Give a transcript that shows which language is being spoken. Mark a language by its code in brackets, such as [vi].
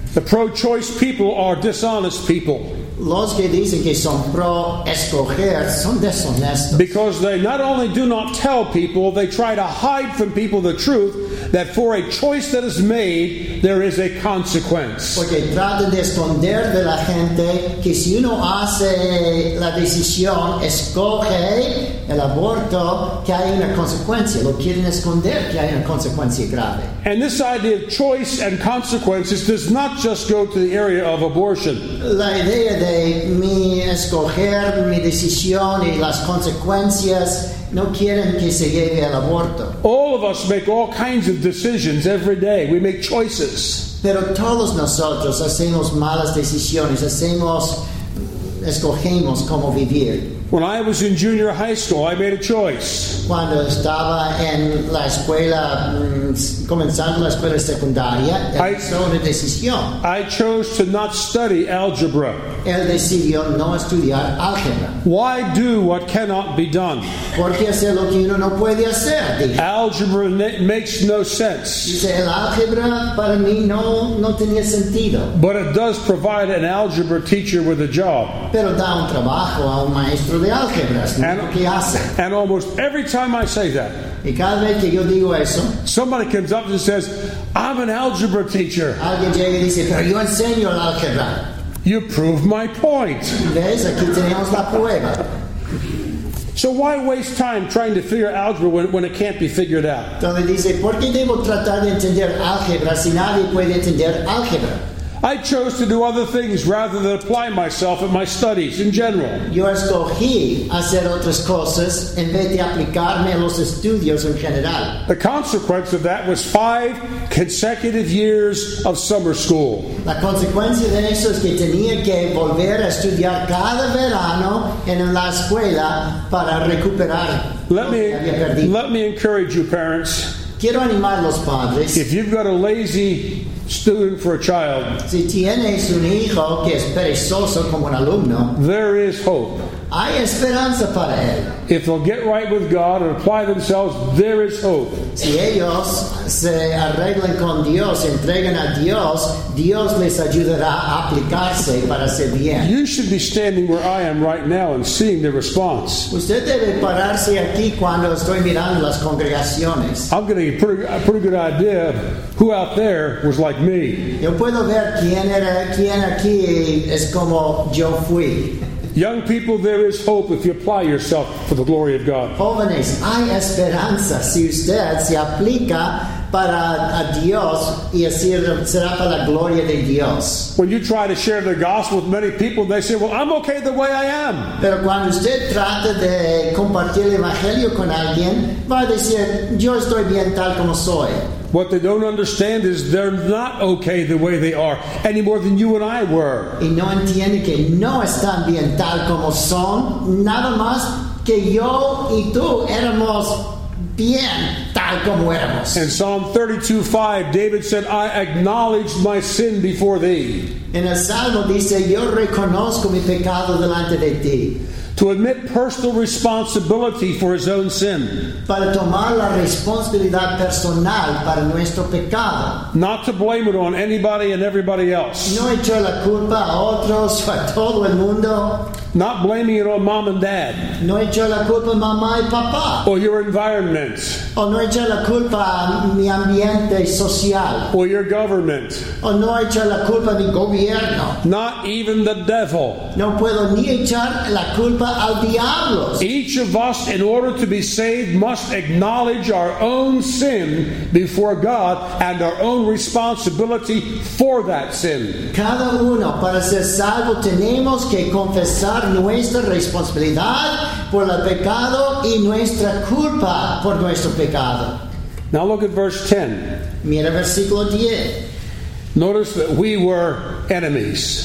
[en] The pro-choice people are dishonest people. [es] Los que dicen que son pro escoger son deshonestos. [en] Because they not only do not tell people, they try to hide from people the truth that for a choice that is made, there is a consequence. [es] Porque tratan de esconder de la gente que si uno hace la decisión, escoge el aborto, que hay una consecuencia. Lo quieren esconder que hay una consecuencia grave. [en] And this idea of choice and consequences does not just go to the area of abortion. [es] La idea de mi escoger, mi decisión y las consecuencias no quieren que se lleve al aborto. [en] All of us make all kinds of decisions every day. We make choices. [es] Pero todos nosotros hacemos malas decisiones, escogemos cómo vivir. [en] When I was in junior high school, I made a choice. [es] Cuando estaba en la escuela, comenzando la escuela secundaria, hizo una decisión. [en] I chose to not study algebra. [es] Él decidió no estudiar álgebra. [en] Why do what cannot be done? [es] ¿Por qué hacer lo que uno no puede hacer? [en] Algebra makes no sense. [es] Dice, el álgebra para mí no tenía sentido. [en] But it does provide an algebra teacher with a job. [es] Pero da un trabajo a un maestro. [en] And almost every time I say that, [es] y cada vez que yo digo eso, [en] somebody comes up and says, I'm an algebra teacher. [es] Alguien llega y dice, pero yo enseño la álgebra. [en] You prove my point. [es] ¿Ves? Aquí tenemos la prueba. [en] So why waste time trying to figure algebra when it can't be figured out? [es] Entonces dice, ¿por qué debo tratar de entender álgebra si nadie puede entender álgebra? [en] I chose to do other things rather than apply myself at my studies in general. [es] Yo escogí hacer otras cosas en vez de aplicarme a los estudios en general. [en] The consequence of that was 5 consecutive years of summer school. [es] La consecuencia de eso es que tenía que volver a estudiar cada verano en la escuela para recuperar lo que había perdido. [en] Let me encourage you, parents. [es] Quiero animar a los padres. [en] If you've got a lazy student for a child, [es] si tienes un hijo que es perezoso como un alumno, [en] there is hope. [es] Hay esperanza para él. [en] If they'll get right with God and apply themselves, there is hope. [es] Si ellos se arreglan con Dios, entregan a Dios, Dios les ayudará a aplicarse para hacer bien. [en] You should be standing where I am right now and seeing the response. [es] Usted debe pararse aquí cuando estoy mirando las congregaciones. [en] I'm getting a pretty good idea of who out there was like me. [es] Yo puedo ver quién aquí es como yo fui. [en] Young people, there is hope if you apply yourself for the glory of God. [es] Jóvenes, hay esperanza si usted se aplica para a Dios y así será para la gloria de Dios. [en] When you try to share the gospel with many people, they say, well, I'm okay the way I am. [es] Pero cuando usted trata de compartir el evangelio con alguien, va a decir, yo estoy bien tal como soy. [en] What they don't understand is they're not okay the way they are any more than you and I were. [es] Y no entiende que no están bien tal como son, nada más que yo y tú éramos bien tal como éramos. [en] In Psalm 32:5, David said, I acknowledge my sin before thee. [es] En el Salmo dice, yo reconozco mi pecado delante de ti. [en] To admit personal responsibility for his own sin. [es] Para tomar la responsabilidad personal para nuestro pecado. [en] Not to blame it on anybody and everybody else. [es] No echar la culpa a otros o a todo el mundo. [en] Not blaming it on mom and dad. [es] No echar la culpa a mamá y papá. [en] Or your environment. [es] O no echar la culpa a mi ambiente social. [en] Or your government. [es] O no echar la culpa a mi gobierno. [en] Not even the devil. [es] No puedo ni echar la culpa al diablo. [en] Each of us, in order to be saved, must acknowledge our own sin before God and our own responsibility for that sin. [es] Cada uno, para ser salvo, tenemos que confesar nuestra responsabilidad por el pecado y nuestra culpa por nuestro pecado. [en] Now look at verse 10. [es] Mira versículo 10. [en] Notice that we were enemies.